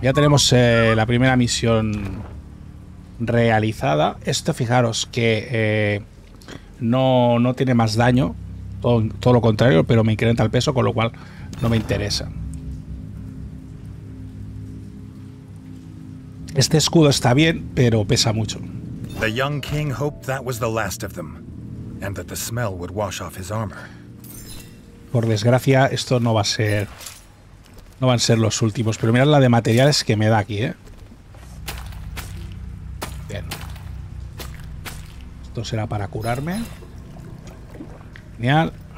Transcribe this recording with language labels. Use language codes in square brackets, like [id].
[es] Ya tenemos la primera misión realizada. Esto, fijaros, que no tiene más daño. Todo lo contrario, pero me incrementa el peso, con lo cual no me interesa. Este escudo está bien, pero pesa mucho. [en] The young king hoped that was the last of them, and that the smell would wash off his armor. [es] Por desgracia, esto no va a ser. No van a ser los últimos. Pero mirad la de materiales que me da aquí, ¿eh? Bien. Esto será para curarme. Genial.